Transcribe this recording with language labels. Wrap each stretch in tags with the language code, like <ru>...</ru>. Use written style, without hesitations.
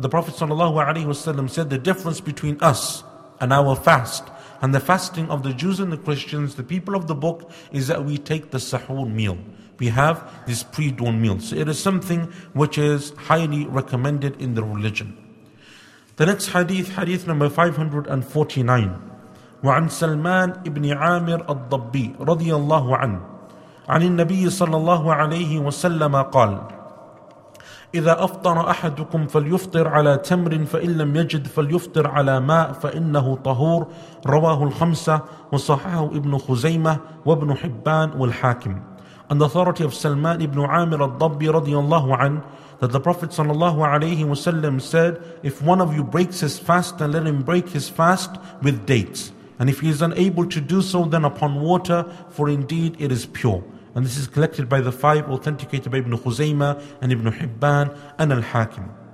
<en>The Prophet ﷺ said, the difference between us and our fast and the fasting of the Jews and the Christians, the people of the book, is that we take the sahur meal. We have this pre-dawn meal. So it is something which is highly recommended in the religion. The next hadith, hadith number 549.</en> <ar>وعن سلمان ابن عامر الضبي رضي الله عنه عن النبي صلى الله عليه وسلم قال إذا أفطر أحدكم فليفطر على تمر فإن لم يجد فليفطر على ماء فإنه طهور رواه الخمسة وصححه ابن خزيمة وابن حبان والحاكم.</ar> <en>On the authority of Salman ibn Amir al-Dabbi radiyallahu anh, that the Prophet sallallahu alayhi wa sallam said, if one of you breaks his fast, then let him break his fast with dates. And if he is unable to do so, then upon water, for indeed it is pure. And this is collected by the five authenticated by Ibn Khuzaymah and Ibn Hibban and Al-Hakim.</en>